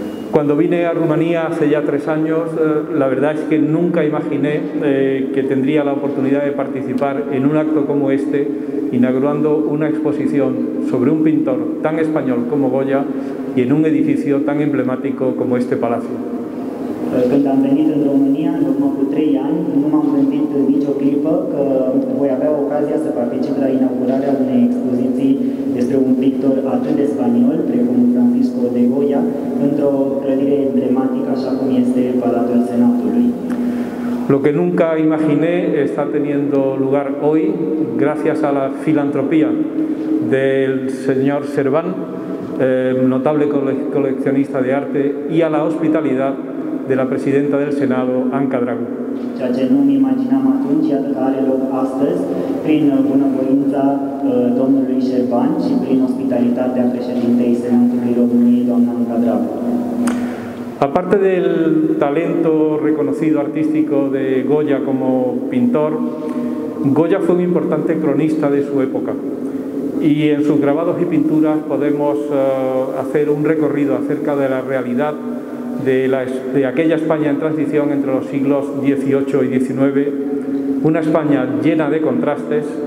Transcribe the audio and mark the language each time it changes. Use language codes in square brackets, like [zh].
[es] Cuando vine a Rumanía hace ya 3 años, la verdad es que nunca imaginé que tendría la oportunidad de participar en un acto como este, inaugurando una exposición sobre un pintor tan español como Goya y en un edificio tan emblemático como este palacio. [ro] Când am venit în România, în urmă cu 3 ani, nu m-am gândit nicio clipă că voi avea ocazia să particip la inaugurarea unei expoziții despre un pictor atât de spaniol, precum Francisco de Goya, într-o clădire emblematică, așa cum este Palatul Senatului. [es] Lo que nunca imaginé está teniendo lugar hoy, gracias a la filantropía del señor Serván, notable coleccionista de arte, y a la hospitalidad de la presidenta del Senado, Encadragu. [ro] Ceea ce nu-mi imaginam atunci, iată că are loc astăzi, prin bunăvoința domnului Serván și prin ospitalitatea președintei Senatului României, doamna Encadragu. [es] Aparte del talento reconocido artístico de Goya como pintor, Goya fue un importante cronista de su época y en sus grabados y pinturas podemos hacer un recorrido acerca de la realidad de aquella España en transición entre los siglos XVIII y XIX, una España llena de contrastes,